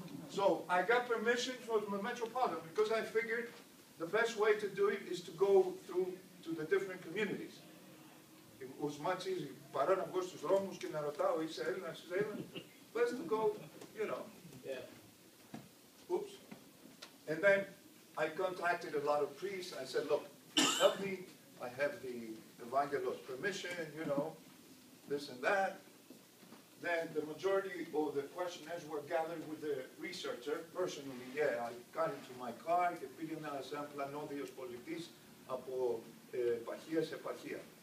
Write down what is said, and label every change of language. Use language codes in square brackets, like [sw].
[en] So, I got permission from the Metropolitan because I figured the best way to do it is to go through to the different communities. It was much easier. [el] Παρά να βγω στους δρόμους και να ρωτάω είσαι Έλληνας, είσαι Έλληνας. [en] Best to go, you know. Yeah. Oops. And then I contacted a lot of priests. I said, look, help me. I have the Evangelos permission, you know, this and that. Then the majority of the questionnaires were gathered with the researcher personally. Yeah, I got into my car. [el] Και πήγε ένα σαν πλανόδιος πολιτής από επαρχία σε επαρχία.